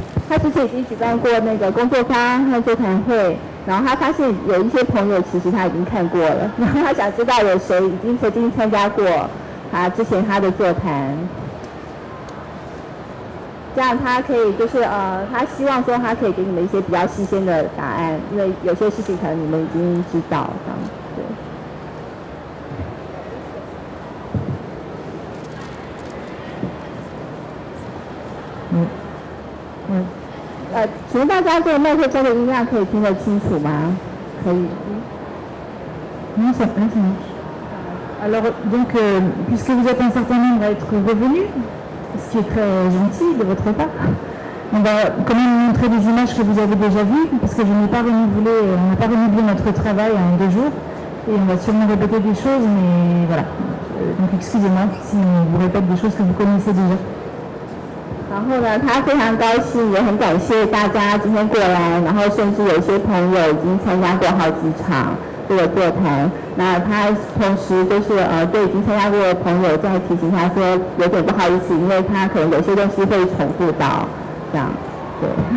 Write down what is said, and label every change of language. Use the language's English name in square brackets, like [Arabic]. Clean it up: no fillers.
[Chinese] 他之前已经举办过那个工作坊和座谈会，然后他发现有一些朋友其实他已经看过了，然后他想知道有谁已经曾经参加过他之前他的座谈，这样他可以就是他希望说他可以给你们一些比较新鲜的答案，因为有些事情可能你们已经知道这样。请问大家这个麦克风的音量可以听得清楚吗？可以。 [French] Bonsoir. Alors, donc, puisque vous êtes un certain nombre à être revenus, ce qui est très gentil de votre part, on va quand même montrer des images que vous avez déjà vues, parce que je n'ai pas renouvelé, on n'a pas renouvelé notre travail en deux jours, et on va sûrement répéter des choses, mais voilà. Donc, excusez-moi si on vous répète des choses que vous connaissez déjà. [Chinese] 然后呢，他非常高兴，也很感谢大家今天过来，然后甚至有些朋友已经参加过好几场这个座谈。那他同时就是对已经参加过的朋友再提醒他说，有点不好意思，因为他可能有些东西会重复到，这样，对。